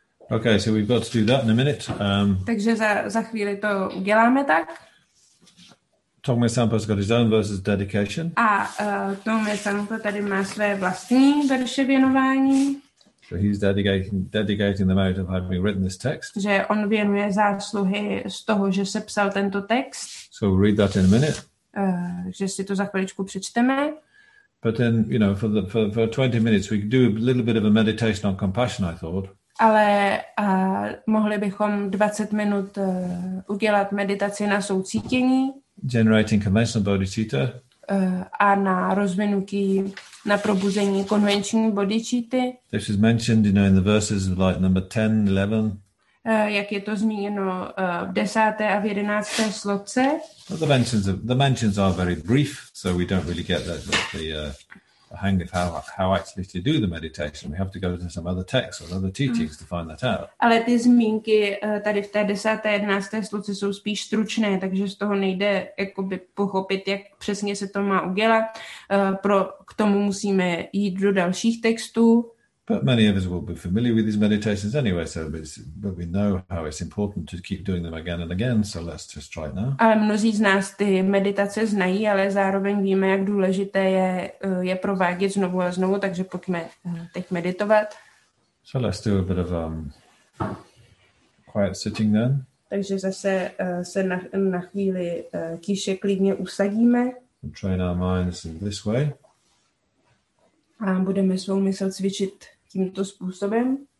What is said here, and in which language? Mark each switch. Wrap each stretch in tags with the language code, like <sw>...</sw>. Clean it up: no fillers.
<en>Okay, so we've got to do that in a minute.</en> <cs>Takže za chvíli to uděláme tak.</cs> <en>Tomé Sampo's got his own verses dedication.</en> <cs>A Tomé Sampo tady má své vlastní verše věnování.</cs> <en>So he's dedicating the merit of having written this text.</en> <cs>Že on věnuje zásluhy z toho, že sepsal tento text.</cs> <en>So we'll read that in a minute.</en> <cs>Že si to za chviličku přečteme.</cs> <en>But then, you know, for 20 minutes we could do a little bit of a meditation on compassion, I thought.</en> <cs>Ale mohli bychom 20 minut udělat meditaci na soucítění.</cs> <en>Generating conventional bodhicitta.</en> <cs>A na rozvinutí, na probuzení konvenční bodhicitty.</cs> <en>This is mentioned, you know, in the verses of like number 10, 11.</en> <cs>Jak je to zmíněno v 10. a v 11. sloce.</cs> <en>The mentions are very brief, so we don't really get the hang of how actually to do the meditation. We have to go to some other texts or other teachings to find that out.</en> <cs>Ale ty zmínky tady v té 10. a 11. sloce jsou spíš stručné, takže z toho nejde jakoby pochopit, jak přesně se to má udělat. K tomu musíme jít do dalších textů.</cs> <en>But many of us will be familiar with these meditations anyway, so but we know how it's important to keep doing them again and again, so let's just try now.</en> <cs>Ale mnozí z nás ty meditace znají, ale zároveň víme, jak důležité je provádět znovu a znovu, takže pojďme teď meditovat.</cs> <en>So let's do a bit of quiet sitting then.</en> <cs>Takže zase se na chvíli tiše klidně usadíme.</cs> <en>And train our minds in this way.</en> <cs>A budeme svou mysl cvičit tímto způsobem.</cs>